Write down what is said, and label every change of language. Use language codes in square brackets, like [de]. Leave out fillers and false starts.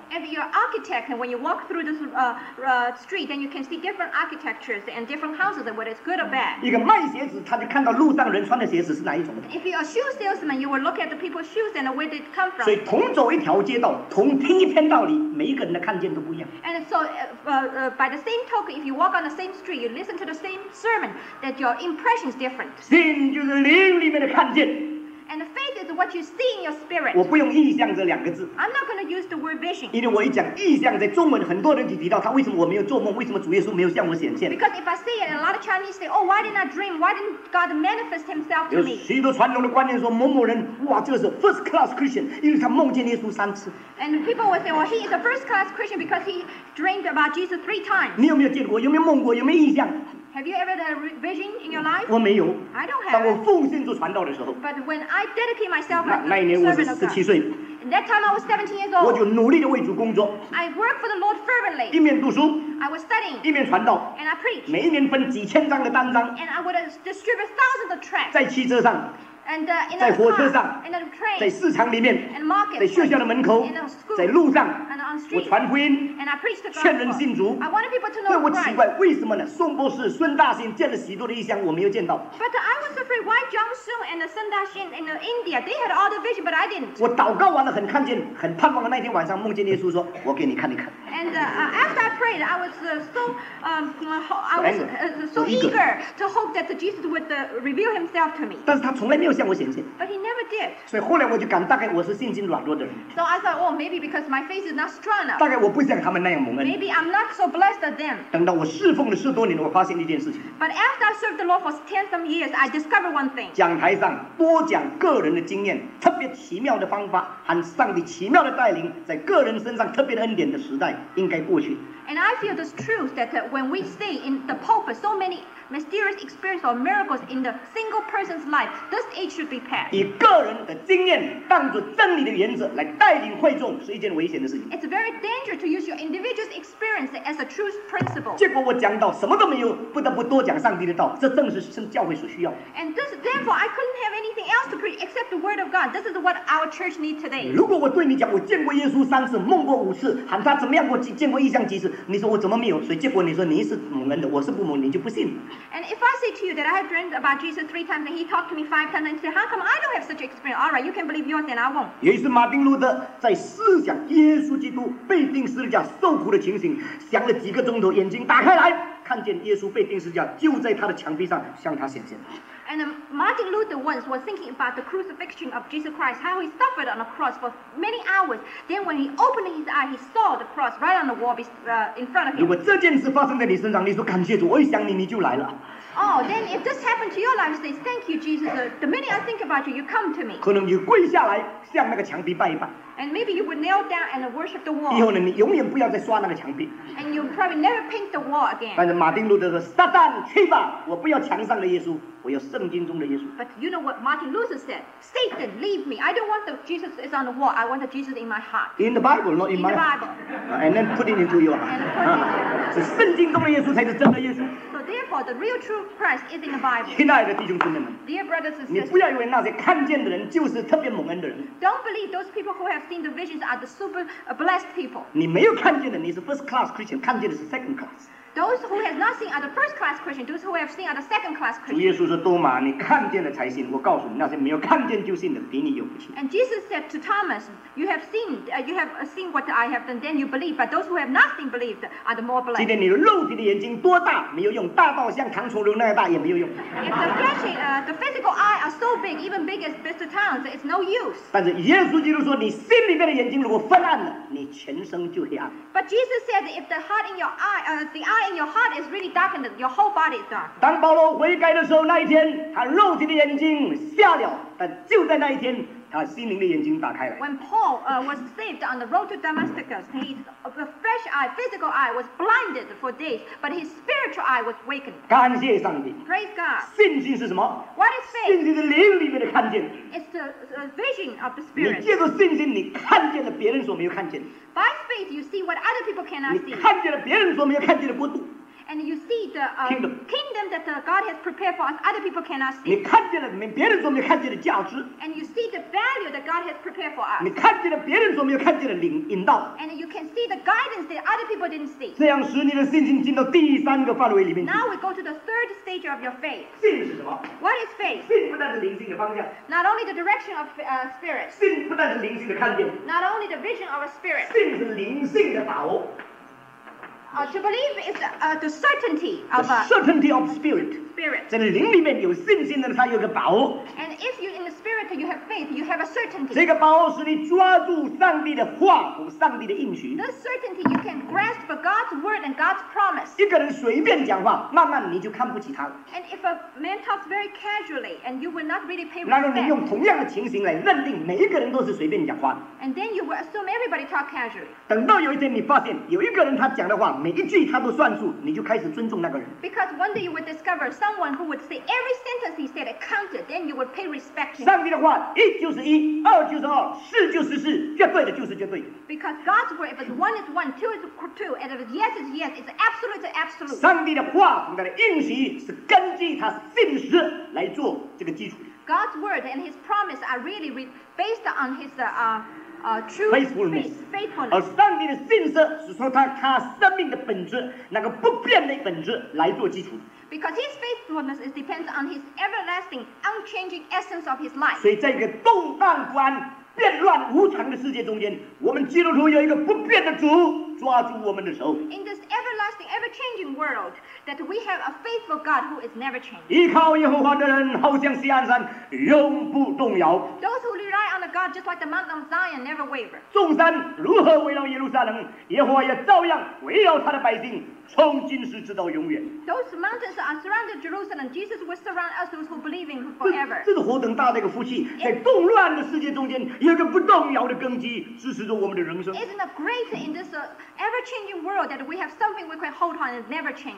[en] ？If you're an architect, when you walk through this street, then you can see different architectures and different houses and whether it's good or bad. [zh] 一个卖鞋子，他就看到路上人穿的鞋子是哪一种的。 [en] If you're a shoe salesman, you will look at the people's shoes and where they come from. [zh] 所以同走一条街道，同听一篇道理，每一个人的看见都不一样。 [en] And so, by the same token, if you walk on the same street, you listen to the same sermon, that your impression is different. [zh] 信就是灵里面的看见。 [en] And faith is what you see in your spirit. [zh] 我不用意象这两个字。 [en] I'm not going to use the word vision. [zh] 因为我一讲意象，在中文很多人就提到他为什么我没有做梦，为什么主耶稣没有向我显现。 [en] Because if I say it, a lot of Chinese say, "Oh, why didn't I dream? Why didn't God manifest Himself to me?" [zh] 有许多传统的观念说某某人，哇，这个是 [en] first class Christian， [zh] 因为他梦见耶稣三次。 [en] And people will say, "Well, he is a first class Christian because he dreamed about Jesus three times." [zh] 你有没有见过？有没有梦过？有没有意象？ [en] Have you ever had a vision in your life? [zh] 我没有。 [en] I don't have. [zh] 当我奉献做传道的时候。 [en] But when I dedicate myself to serving [zh] God. 那一年我是17岁。 [en] That time I was 17 years old. [zh] 我就努力的为主工作。 [en] I worked for the Lord fervently. [zh] 一面读书。 [en] I was studying. [zh] 一面传道。 [en] And I preached. [zh] 每一年分几千张的单张。 [en] And I would distribute thousands of tracts. [zh] 在汽车上。 [en] And, in [zh] 在火车上 [en] in a train, [zh] 在市场里面 [en] in market, [zh] 在学校的门口 [en] in a school, [zh] 在路上 [en] and on street, [zh] 我传福音 [en] and I preach the gospel, [zh] 劝人信主 [en] I wanted people to know Christ. [zh] 对我奇怪为什么呢宋博士孙大兴见了许多的异象我没有见到 [en] But I was afraid why John Sung and Sun Da Xin in India they had all the vision but I didn't [zh] 我祷告完了很看见很盼望的那天晚上梦见耶稣说我给你看一看 [en] And after I prayed I was so eager to hope that Jesus would reveal himself to me [zh] 但是他从来没有向我显现 [en] But he never did [zh] 所以后来我就感大概我是信心软弱的人 [en] So I thought well maybe because my faith is not strong enough [zh] 大概我不像他们那样蒙恩 [en] Maybe I'm not so blessed as them [zh] 等到我侍奉了十多年我发现一件事情 [en] But after I served the Lord for 10 some years I discovered one thing [zh] 讲台上多讲个人的经验特别奇妙的方法和上帝奇妙的带领在个人身上特别的恩典的时代应该过去 [en] And I feel this truth that when we see in the pulpit so manymysterious experience or miracles in the single person's life, this age should be passed. [zh] 以个人的经验当作真理的原则来带领会众是一件危险的事情。 [en] It's very dangerous to use your individual's experience as a truth principle. [zh] 结果我讲到什么都没有，不得不多讲上帝的道，这正是教会所需要。 [en] And this, therefore, I couldn't have anything else to preach except the word of God. This is what our church needs today. [zh] 如果我对你讲，我见过耶稣三次，梦过五次，喊他怎么样，我见过异象几次，你说我怎么没有？所以结果你说你是蒙恩的，我是不蒙，你就不信。 [en] And if I say to you that I have dreamed about Jesus 3 times and he talked to me 5 times and said, how come I don't have such experience? All right, you can believe yours and I won't. [zh] 也是马丁路德在思想耶稣基督被钉十字架受苦的情形，想了几个钟头，眼睛打开来，看见耶稣被钉十字架就在他的墙壁上向他显现。 [en] And Martin Luther once was thinking about the crucifixion of Jesus Christ, how he suffered on a cross for many hours. Then when he opened his eye, he saw the cross right on the wall in front of him. [zh] 如果这件事发生在你身上，你说感谢主，我一想你，你就来了。 [en] Oh, then if this happened to your life, you say, thank you, Jesus. The minute I think about you, you come to me. [zh] 可能你跪下来向那个墙壁拜一拜。 [en] And maybe you would kneel down and worship the wall. [zh] 以后呢，你永远不要再刷那个墙壁。 [en] And you probably never paint the wall again. [zh] 但是马丁路德说，撒旦去吧，我不要墙上的耶稣。我要圣经中的耶稣。 [en] But you know what Martin Luther said? Satan, leave me. I don't want the Jesus is on the wall. I want the Jesus in my heart. In the Bible, not in my heart. And then put it into your heart. And put it into [zh] 圣经中的耶稣才是真的耶稣。 [en] So therefore, the real true Christ is in the Bible. [zh] 亲爱的弟兄姊妹们 [en] ，Dear brothers and sisters, [zh] 你不要以为那些看见的人就是特别蒙恩的人。 [en] Don't believe those people who have seen the visions are the super blessed people. [zh] 你没有看见的，你是 [en] first class Christian， [zh] 看见的是 [en] second class。 Those who have not seen are the first class Christian. Those who have seen are the second class Christian. [zh] 主耶稣说多马，你看见了才信。我告诉你，那些没有看见就信的，比你有福气。 [en] And Jesus said to Thomas, you have seen what I have done, then you believe. But those who have not seen believed are the more blessed. [zh] 今天你的肉体的眼睛多大没有用，大到像唐崇荣那样大也没有用。 [en] If the flesh, the physical eye are so big, even big as Mr. Towns, it's no use. [zh] 但是耶稣基督说，你心里面的眼睛如果昏暗了，你全身就黑暗。 [en] But Jesus said, if the heart in your eye, the eye And your heart is really darkened. Your whole body is dark. [zh] 当保罗悔改的时候，那一天他肉体的眼睛瞎了，但就在那一天，他心灵的眼睛打开了。 [en] When Paul was saved on the road to Damascus, his fresh eye, physical eye, was blinded for days, but his spiritual eye was awakened. [zh] 感谢上帝。 [en] Praise God. [zh] 信心是什么 [en] ？What is faith? [zh] 信心是灵里面的看见。 [en] It's the vision of the spirit. [zh] 你借着信心，你看见了别人所没有看见。 [en] By faith, you see what other people cannot see. [zh] 你看见了别人所没有看见的国度。 [en] And you see the kingdom that God has prepared for us, other people cannot see. [zh] 你看见了别人所没有看见的价值。 [en] And you see the value that God has prepared for us. [zh] 你看见了别人所没有看见的引导。 [en] And you can see the guidance that other people didn't see. [zh] 这样使你的信心进到第三个范围里面去。 [en] Now we go to the third stage of your faith. [zh] 信是什么 [en] ？What is faith? [zh] 信不但是灵性的方向。 [en] Not only the direction of spirit. [zh] 信不但是灵性的看见。 [en] Not only the vision of a spirit. [zh] 信是灵性的把握。 [en] To believe is the certainty of the certainty of spirit. Spirit. [zh] 在灵里面有信心的，他有个把握。 [en] And if you in the spirit you have faith, you have a certainty. [zh] 这个把握使你抓住上帝的话和上帝的应许。 [en] This certainty you can grasp for God's word and God's promise. [zh] 一个人随便讲话，慢慢你就看不起他了。 [en] And if a man talks very casually and you will not really pay respect. [zh] 然后你用同样的情形来认定每一个人都是随便讲话的。 [en] And then you will assume everybody talk casually. [zh] 等到有一天你发现有一个人他讲的话。每一句他都算数，你就开始尊重那个人。 [en] Because one day you would discover someone who would say every sentence he said counted, then you would pay respect to him. [zh] 上帝的话，一就是一，二就是二，四就是四，绝对的就是绝对。 [en] Because God's word, if it's one is one, two is two, and if it's yes is yes, it's absolute is absolute. [zh] 上帝的话，我们的应许是根据他信实来做这个基础。 [en] God's word and His promise are really based on His true faithfulness. [zh] 而上帝的信实是说他生命的本质，那个不变的本质来做基础。 [en] Because His faithfulness is depends on His everlasting, unchanging essence of His life. [zh] 所以在一个动荡不安、变乱无常的世界中间，我们基督徒有一个不变的主抓住我们的手。 [en] In this everlasting, ever-changing world, that we have a faithful God who is never changing. [zh] 依靠耶和华的人，好像锡安山，永不动摇。 [en] Those who rely on a God, just like the Mount of Zion, never waver. [zh] 众山如何围绕耶路撒冷，耶和华也照样围绕他的百姓。从今时直到永远。 [en] Those mountains are surrounded Jerusalem. Jesus will surround us those who believe in Him forever. [zh] 这是何等大的一个福气，在动乱的世界中间，有一个不动摇的根基，支持着我们的人生。 [en] Isn't it great in this ever-changing world that we have something we can hold on and never change?